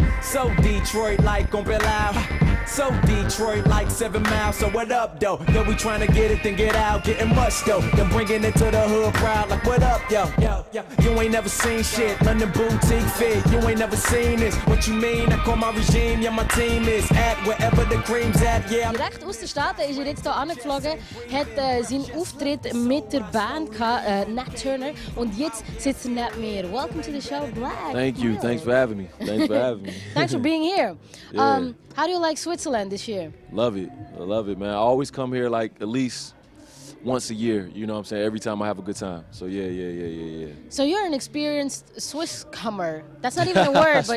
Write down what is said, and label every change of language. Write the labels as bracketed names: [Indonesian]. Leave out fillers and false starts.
[English] So Detroit like gon' be loud. So Detroit like 7 miles. So what up, though? Yo, we tryna get it, then get out. Gettin' much, though. Then bringin' it to the hood crowd. Like, what up, yo? You ain't never seen shit. London boutique fit. You ain't never seen this. What you mean? I call my regime. Yeah, my team is at wherever the cream's at. Yeah. [German] Direkt aus den Staaten ist er jetzt hier angeflogen. Hat seinen Auftritt mit der Band gehabt, Nat Turner. Und jetzt sitzt er neben mir. [English] Welcome to the show, Black. Thank you. Thanks for having me. Thanks for having me. Thanks for being here. Yeah. How do you like Switzerland this year? Love it. I love it, man. I always come here like at least once a year. You know what I'm saying? Every time I have a good time. So yeah. So you're an experienced Swiss comer. That's not even a word, but